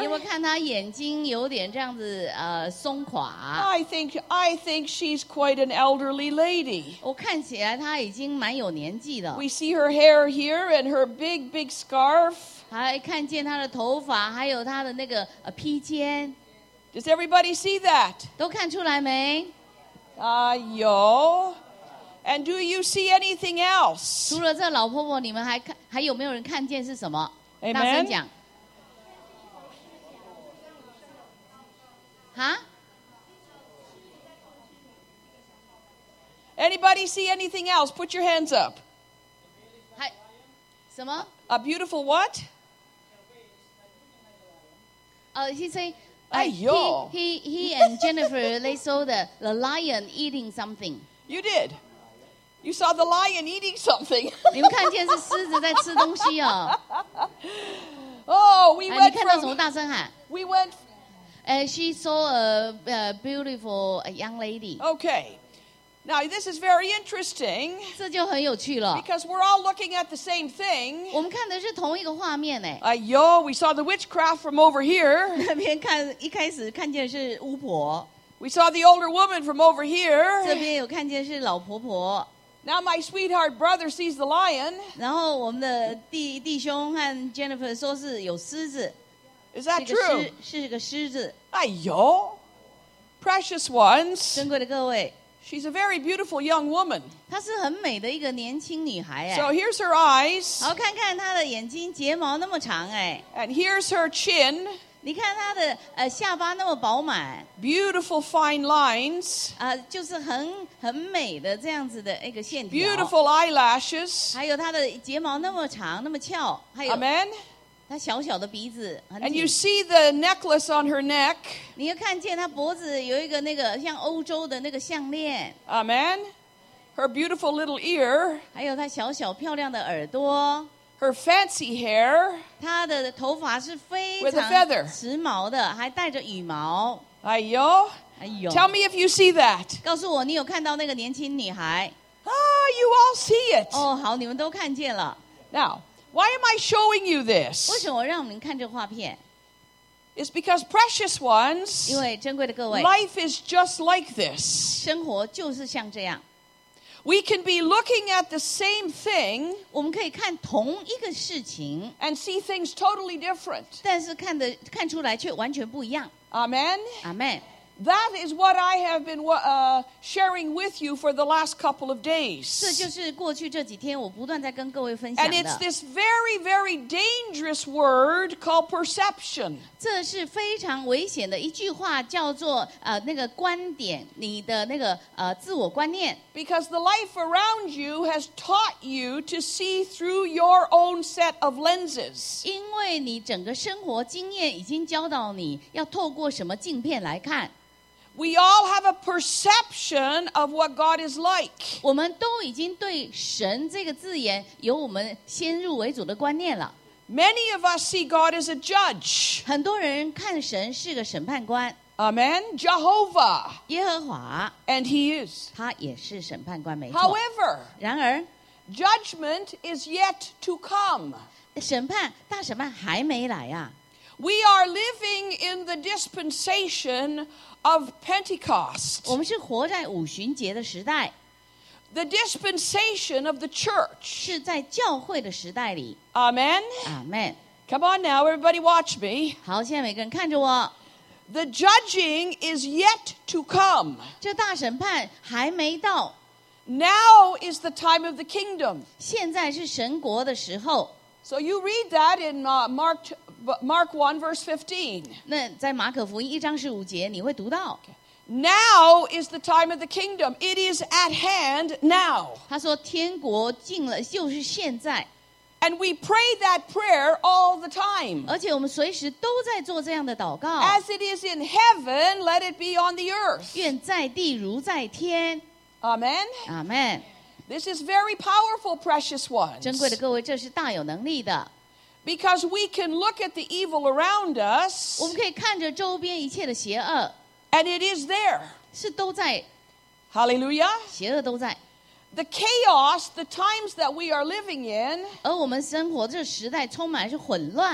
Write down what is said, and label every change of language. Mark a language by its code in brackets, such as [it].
[zh] 你会看她眼睛有点这样子松垮。 [en] I think she's quite an elderly lady. [zh] 我看起来她已经蛮有年纪了。 [en] We see her hair here and her big, big scarf. [zh] 还看见她的头发，还有她的那个披肩。 [en] Does everybody see that? [zh] 都看出来没？有。 [en] And do you see anything else? [zh] 除了这老婆婆，你们还有没有人看见是什么？ [en] Amen. [zh] 大声讲。 [en] Anybody see anything else? Put your hands up. [zh] 什么？ [en] A beautiful what? He say, he and Jennifer, they saw the lion eating something. You did. You saw the lion eating something. [zh] 你们看见是狮子在吃东西哦。 [en] Oh, we went. [zh] 你看到什么？大声喊。 [en] We went. She saw a beautiful young lady. Okay, now this is very interesting. [zh] 这就很有趣了。 [en] Because we're all looking at the same thing. [zh] 我们看的是同一个画面呢。 [en] We saw the witchcraft from over here. [zh] 那边看一开始看见是巫婆。 [en] We saw the older woman from over here. [zh] 这边有看见是老婆婆。 [en] Now my sweetheart brother sees the lion. [zh] 然后我们的弟兄和 Jennifer 说是有狮子。 [en] Is that true? [zh] 是个狮子。 [en] 哎呦 ，precious ones. [zh] 尊贵的各位。 [en] She's a very beautiful young woman. [zh] 她是很美的一个年轻女孩。 [en] So here's her eyes. [zh] 好，看看她的眼睛，睫毛那么长哎。 [en] And here's her chin. [zh] 你看她的下巴那么饱满。 [en] Beautiful fine lines. [zh] 就是很美的这样子的一个线条。 [en] Beautiful eyelashes. [zh] 还有她的睫毛那么长，那么翘。 [en] Amen. [zh] 她小小的鼻子。 [en] And you see the necklace on her neck. [zh] 你又看见她脖子有一个那个像欧洲的那个项链。 [en] Amen. Her beautiful little ear. [zh] 还有她小小漂亮的耳朵。 [en] Her fancy hair. [zh] 她的头发是非常时髦的，还带着羽毛。 [en] Tell me if you see that. [zh] 告诉我，你有看到那个年轻女孩。 [en] You all see it. [zh] 哦，好，你们都看见了。 [en] Now, why am I showing you this? [zh] 为什么我让您看这画片？ [en] It's because precious ones. [zh] 因为珍贵的各位。 [en] Life is just like this. [zh] 生活就是像这样。 [en] We can be looking at the same thing. [zh] 我们可以看同一个事情。 [en] And see things totally different. [zh] 但是看出来却完全不一样。 [en] Amen. Amen. That is what I have been sharing with you for the last couple of days. [zh] 这就是过去这几天我不断在跟各位分享的。 [en] And it's this very, very dangerous word called perception. [zh] 这是非常危险的一句话，叫做那个观点，你的那个自我观念。 [en] Because the life around you has taught you to see through your own set of lenses. [zh] 因为你整个生活经验已经教导你要透过什么镜片来看。 [en] We all have a perception of what God is like. [zh] 我们都已经对神这个字眼有我们先入为主的观念了。 [en] Many of us see God as a judge. [zh] 很多人看神是个审判官。 [en] Amen. Jehovah. [zh] 耶和华。 [en] And he is. [zh] 他也是审判官，没错。 [en] However, [zh] 然而 [en] judgment is yet to come. [zh] 审判，大审判还没来啊。 [en] We are living in the dispensation of Pentecost. [zh] 我们是活在五旬节的时代。 [en] The dispensation of the church. [zh] 是在教会的时代里。 [en] Amen. Amen. Come on now, everybody watch me. [zh] 好，现在每个人看着我。 [en] The judging is yet to come. [zh] 这大审判还没到。 [en] Now is the time of the kingdom. [zh] 现在是神国的时候。 [en] So you read that in Mark 1 verse 15. [zh] 那在马可福音一章十五节你会读到。 [en] Now is the time of the kingdom. It is at hand now. [zh] 他说天国近了，就是现在。 [en] And we pray that prayer all the time. [zh] 而且我们随时都在做这样的祷告。 [en] As it is in heaven, let it be on the earth. [zh] 愿在地如在天。 [en] Amen. Amen. This is very powerful, precious ones. [zh] 珍贵的各位，这是大有能力的。 [en] Because we can look at the evil around us, [zh] 我们可以看着周边一切的邪恶， [en] and it is there. [zh] 是都在。 [en] Hallelujah. [zh] 邪恶都在。 [en] the chaos, the times that we are living in, [zh] 而我们生活这时代充满是混乱